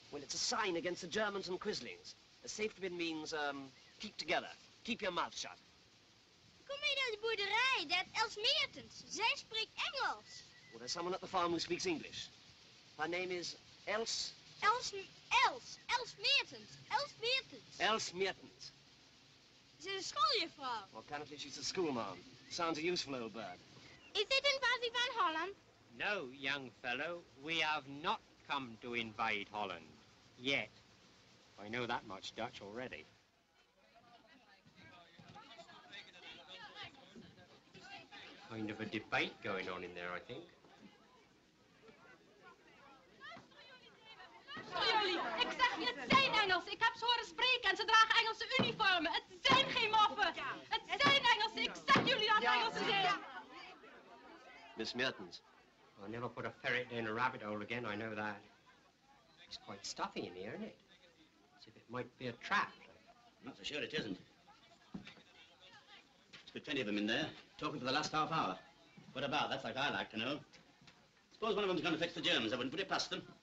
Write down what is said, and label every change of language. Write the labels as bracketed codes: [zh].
[en] Well, it's a sign against the Germans and Quislings. A safety pin means, keep together. Keep your mouth shut. [nl] Kom mee naar de boerderij, dat Els Meertens. Zij spreekt Engels. [en] Well, there's someone at the farm who speaks English. Her name is Els... Els... Els. Els Meertens. Els Meertens. Els Meertens. [nl] Ze is een schooljuffrouw. [en] Well, currently she's a schoolmarm. Sounds a useful old bird. [nl] Is dit een invasie van Holland? [en] No, young fellow. We have not come to invade Holland. Yet. I know that much Dutch already. Kind of a debate going on in there, I think. [nl] Ik zeg je, het zijn Engelsen. Ik heb ze horen spreken en ze dragen Engelse uniformen. Het zijn geen moffen. Het zijn Engelsen. Ik zeg jullie dat Engelsen zijn. [en] Miss Mertens. I'll never put a ferret in a rabbit hole again, I know that. It's quite stuffy in here, isn't it? As if it might be a trap. Not so sure it isn't. There's been plenty of them in there, talking for the last half hour. What about? That's like I like to know. Suppose one of them's going to fix the Germans. I wouldn't put it past them.